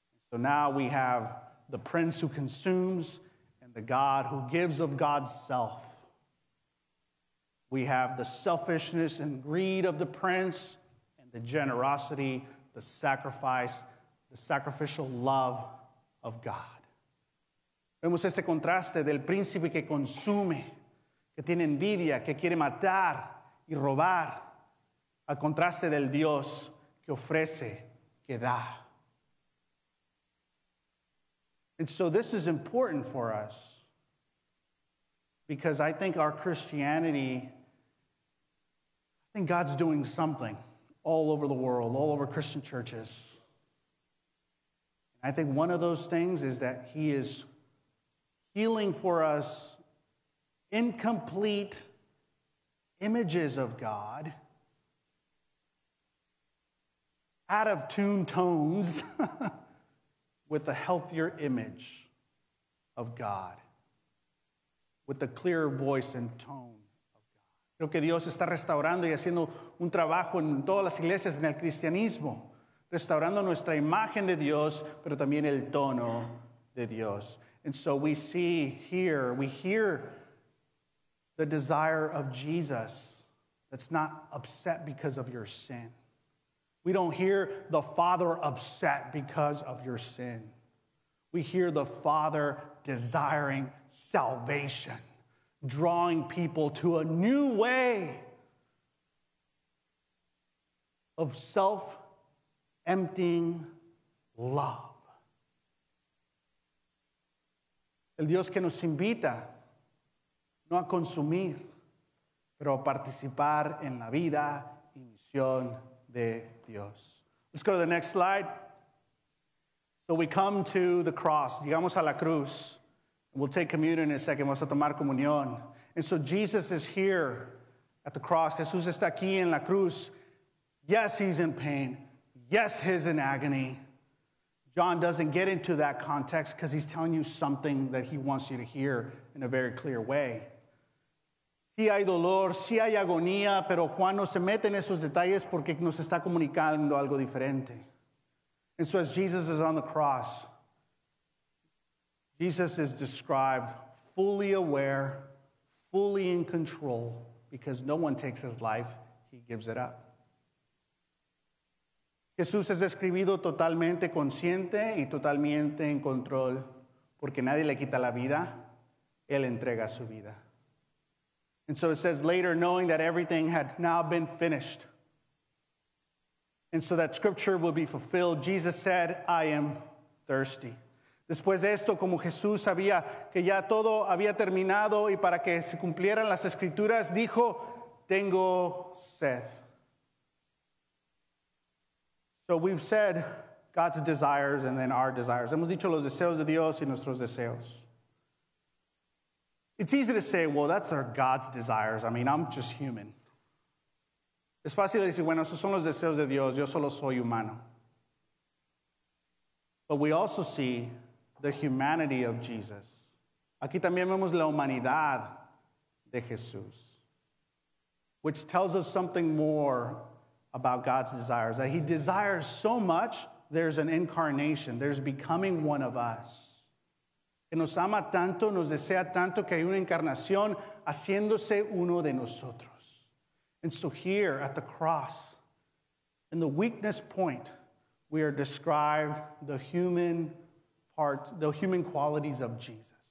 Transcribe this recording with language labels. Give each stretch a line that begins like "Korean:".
English: So now we have the prince who consumes and the God who gives of God's self. We have the selfishness and greed of the prince and the generosity, the sacrifice, the sacrificial love of God.
Spanish: Vemos ese contraste del príncipe que consume, que tiene envidia, que quiere matar, y robar, al contraste del Dios que ofrece, que da.
English: And so this is important for us because I think our Christianity, I think God's doing something all over the world, all over Christian churches. I think one of those things is that he is healing for us incomplete images of God, out of tune tones with a healthier image of God, with a clearer voice and tone of God.
Spanish: Creo que Dios está restaurando y haciendo un trabajo en todas las iglesias en el cristianismo, restaurando nuestra imagen de Dios, pero también el tono de Dios.
English: And so we see here, we hear the desire of Jesus that's not upset because of your sin. We don't hear the Father upset because of your sin. We hear the Father desiring salvation, drawing people to a new way of self-emptying love.
Spanish: El Dios que nos invita no a consumir, pero a participar en la vida y misión de Dios.
English: Let's go to the next slide. So we come to the cross.
Spanish: Llegamos a la cruz.
English: We'll take communion in a second.
Spanish: Vamos a tomar comunión.
English: And so Jesus is here at the cross.
Spanish: Jesús está aquí en la cruz.
English: Yes, he's in pain. Yes, he's in agony. John doesn't get into that context because he's telling you something that he wants you to hear in a very clear way.
Spanish: Sí hay dolor, sí hay agonía, pero Juan no se mete en esos detalles porque nos está comunicando algo diferente.
English: And so as Jesus is on the cross, Jesus is described fully aware, fully in control, because no one takes his life, he gives it up.
Spanish: Jesús es describido totalmente consciente y totalmente en control, porque nadie le quita la vida, él entrega su vida.
English: And so it says later, knowing that everything had now been finished, and so that scripture would be fulfilled, Jesus said, I am thirsty.
Spanish: Después de esto, como Jesús sabía que ya todo había terminado y para que se cumplieran las escrituras, dijo, tengo sed.
English: So we've said God's desires and then our desires.
Spanish: Hemos dicho los deseos de Dios y nuestros deseos.
English: It's easy to say, well, that's our God's desires. I mean, I'm just human.
Spanish: Es fácil decir, bueno, esos son los deseos de Dios. Yo solo soy humano.
English: But we also see the humanity of Jesus.
Spanish: Aquí también vemos la humanidad de Jesús,
English: which tells us something more about God's desires. That he desires so much, there's an incarnation. There's becoming one of us.
Spanish: Que nos ama tanto, nos desea tanto, que hay una encarnación haciéndose uno de nosotros.
English: And so here at the cross, in the weakness point, we are described the human part, the human qualities of Jesus.